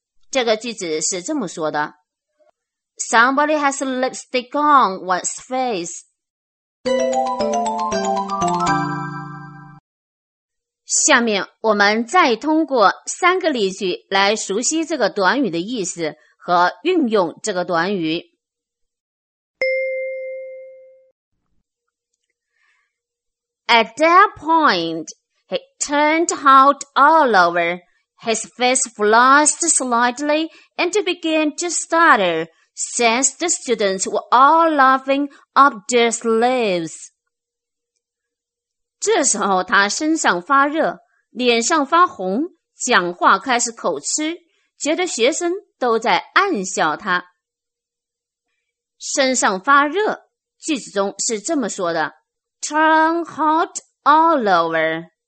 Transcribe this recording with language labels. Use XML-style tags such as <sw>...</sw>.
<zh>这个句子是这么说的。</zh> <en>Somebody has lipstick on one's face.</en> <zh>下面我们再通过三个例句来熟悉这个短语的意思和运用这个短语。</zh> <en>At that point,He turned hot all over, his face flushed slightly and began to stutter, since the students were all laughing up their sleeves.</en> <zh>这时候他身上发热，脸上发红，讲话开始口吃，觉得学生都在暗笑他。身上发热，句子中是这么说的</zh> <en>turn hot all over.</en>